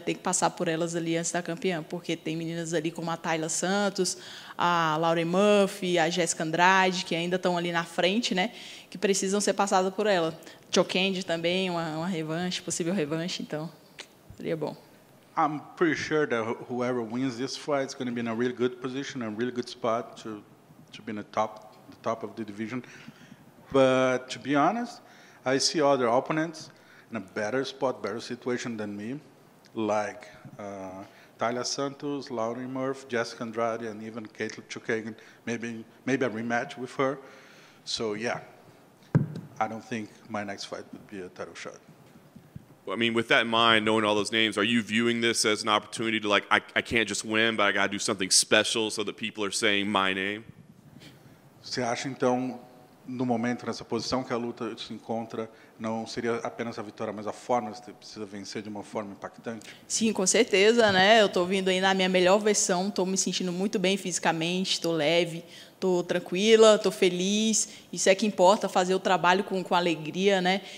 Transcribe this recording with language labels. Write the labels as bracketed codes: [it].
[pt] Tem que passar por elas ali antes da campeã, porque tem meninas ali como a Tayla Santos, a Lauren Murphy, a Jéssica Andrade, que ainda estão ali na frente, né? Que precisam ser passadas por ela. Chokendi também, uma revanche, possível revanche, então seria bom. [en] I'm pretty sure that whoever wins this fight is going to be in a really good position, a really good spot to be in the top of the division. But to be honest, I see other opponents in a better spot, better situation than me, like Tayla Santos, Lauren Murphy, Jessica Andrade, and even Caitlin Chookagan, maybe a rematch with her. So yeah, I don't think my next fight would be a title shot. Well, I mean, with that in mind, knowing all those names, are you viewing this as an opportunity to, like, I can't just win, but I got to do something special so that people are saying my name? [pt] Você acha, então, no momento, nessa posição que a luta se encontra, não seria apenas a vitória, mas a forma, você precisa vencer de uma forma impactante? Sim, com certeza, né? Eu estou vindo aí na minha melhor versão, estou me sentindo muito bem fisicamente, estou leve, estou tranquila, estou feliz, isso é que importa, fazer o trabalho com alegria, né?